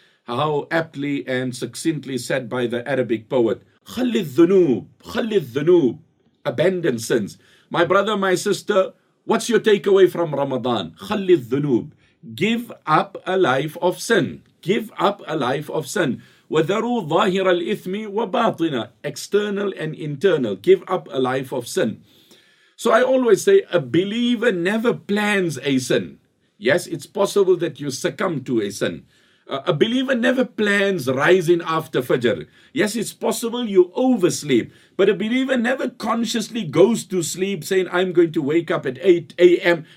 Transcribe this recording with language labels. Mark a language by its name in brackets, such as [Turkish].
[English] How aptly and succinctly said by the Arabic poet. [Arabic] خَلِّ الذُّنُوب. [English] Abandon sins. My brother, my sister, what's your takeaway from Ramadan? [Arabic] خَلِّ الذُّنُوب. [English] Give up a life of sin. give up a life of sin. [Arabic] وَذَرُوا ظَاهِرَ الْإِثْمِ وَبَاطِنَ [English] External and internal. Give up a life of sin. So I always say, a believer never plans a sin. Yes, it's possible that you succumb to a sin. A believer never plans rising after Fajr. Yes, it's possible you oversleep. But a believer never consciously goes to sleep saying, I'm going to wake up at 8 a.m.